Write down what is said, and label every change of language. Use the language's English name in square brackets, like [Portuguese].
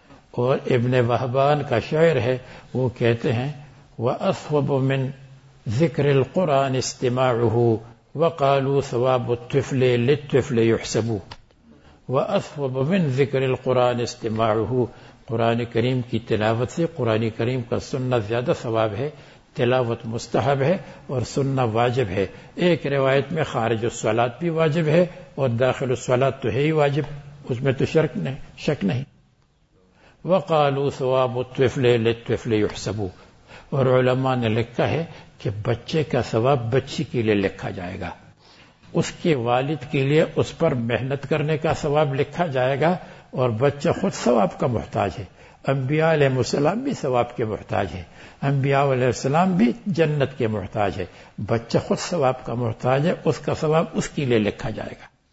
[Urdu] اور ابن وہبان کا شعر ہے، وہ کہتے ہیں [Arabic] وأصوب من ذکر القرآن استماعه [Urdu] وقالوا ثواب الطفل للطفل يحسب وأصوب من ذکر القرآن استماعه، قرآن کریم کی تلاوت سے قرآن کریم کا سننا زیادہ ثواب ہے، تلاوت مستحب ہے اور سننا واجب ہے. ایک روایت میں خارج الصلات بھی واجب ہے اور داخل الصلات تو ہے ہی واجب، اس میں تو شک نہیں. [Arabic] وقالوا ثواب الطفل للطفل يحسب. [Urdu] اور علماء نے لکھا ہے کہ بچے کا ثواب بچی کے لیے لکھا جائے گا، اس کے والد کے لیے اس پر محنت کرنے کا ثواب لکھا جائے گا، اور بچہ خود ثواب کا محتاج ہے. انبیاء علیہ السلام بھی ثواب کے محتاج ہے، انبیاء علیہ السلام بھی جنت کے محتاج ہے، بچہ خود ثواب کا محتاج ہے، اس کا ثواب اس کے لیے لکھا جائے گا.